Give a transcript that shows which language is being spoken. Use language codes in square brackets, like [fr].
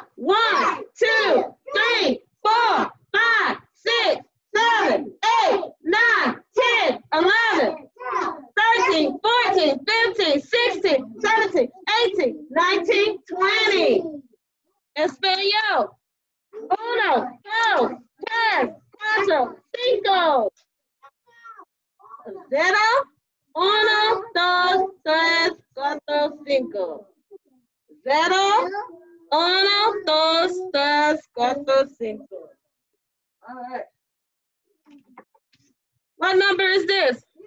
[en] One, two, three, four, five, six, seven, eight, nine, 10, 11, 13, 14, 15, 16, 17, 18, 19, 20. Espanio. [es] Uno, dos, tres, cuatro, cinco. Zero. Uno, dos, tres, cuatro, cinco. Zero, uno, dos, tres, cuatro, cinco. [en] All right. What number is this?